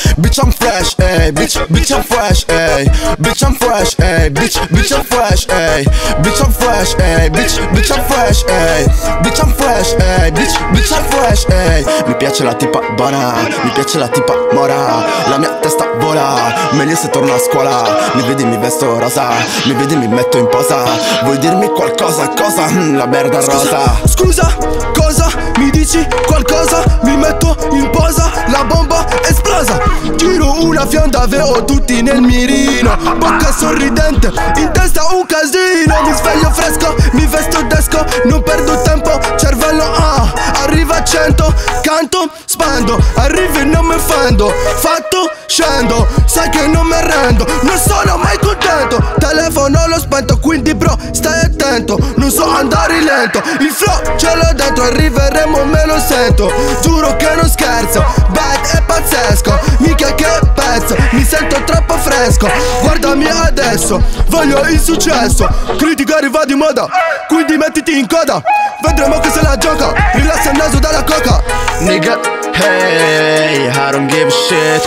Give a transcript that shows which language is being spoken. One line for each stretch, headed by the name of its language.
English: Bitch I'm fresh, ey, bitch, bitch I'm fresh, ey. Bitch I'm fresh, ey, bitch, bitch I'm fresh, ey. Bitch I'm fresh, ey, bitch, bitch I'm fresh, ey. Bitch I'm fresh, ey, bitch, bitch I'm fresh, ey.
Italian: Mi piace la tipa buona, mi piace la tipa mora. La mia testa vola, meglio se torno a scuola. Mi vedi mi vesto rosa, mi vedi mi metto in posa. Vuoi dirmi qualcosa, cosa? La merda rosa. Scusa, cosa? Mi dici qualcosa? Mi metto in posa, la bomba esplosa. Giro una fionda, veo tutti nel mirino. Bocca sorridente, in testa un casino. Mi sveglio fresco, mi vesto d'esco. Non perdo tempo, cervello arriva a 100. Canto, spendo, arrivo e non mi offendo. Fatto, scendo, sai che non mi arrendo. Non sono mai contento, telefono l'ho spento. Quindi bro, stai attento, non so andare lento. Il flow ce l'ho dentro, arriveremo me lo sento. Giuro che non scherzo, bad è pazzesco. Mica che pezzo, mi sento troppo fresco. Guardami adesso, voglio il successo. Critica arriva di moda, quindi mettiti in coda. Vedremo che se la gioca, rilassa il naso dalla coca.
English: Nigga, hey, I don't give a shit.